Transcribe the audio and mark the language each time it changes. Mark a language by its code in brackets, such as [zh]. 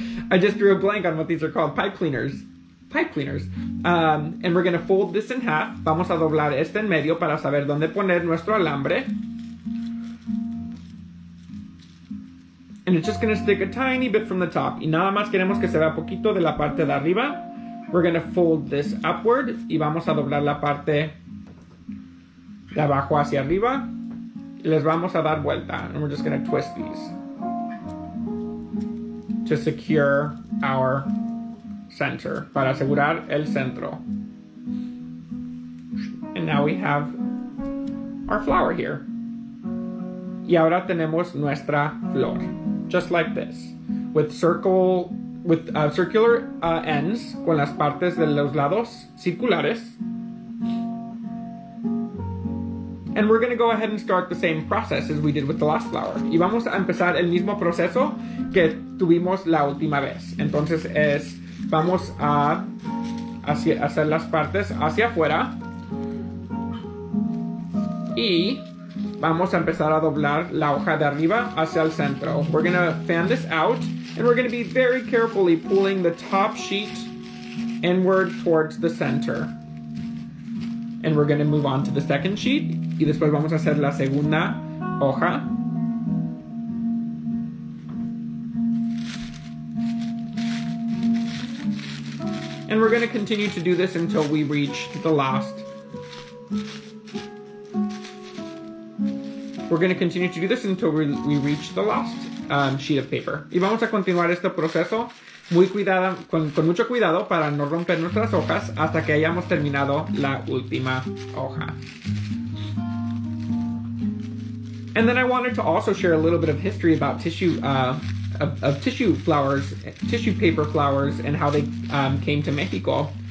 [en] I just drew a blank on what these are called. Pipe cleaners. Pipe cleaners. And we're going to fold this in half. [es] Vamos a doblar este en medio para saber dónde poner nuestro alambre. [en] And it's just going to stick a tiny bit from the top. [es] Y nada más queremos que se vea poquito de la parte de arriba. [en] We're going to fold this upward. [es] Y vamos a doblar la parte de abajo hacia arriba. Y les vamos a dar vuelta. [en] And we're just going to twist these to secure our center. [es] Para asegurar el centro. [en] And now we have our flower here. [es] Y ahora tenemos nuestra flor. [en] Just like this. With circular ends. [es] Con las partes de los lados circulares. [en] And we're going to go ahead and start the same process as we did with the last flower. [es] Y vamos a empezar el mismo proceso que tuvimos la última vez. Entonces es, vamos a hacer las partes hacia afuera. Y vamos a empezar a doblar la hoja de arriba hacia el centro. [en] We're going to fan this out. And we're going to be very carefully pulling the top sheet inward towards the center. And we're going to move on to the second sheet. Y después vamos a hacer la segunda hoja. And we're going to continue to do this until we reach the last. We're going to continue to do this until we reach the last sheet of paper. [es] Y vamos a continuar este proceso muy cuidado, con mucho cuidado para no romper nuestras hojas hasta que hayamos terminado la última hoja. [en] And then I wanted to also share a little bit of history about tissue paper flowers and how they came to Mexico.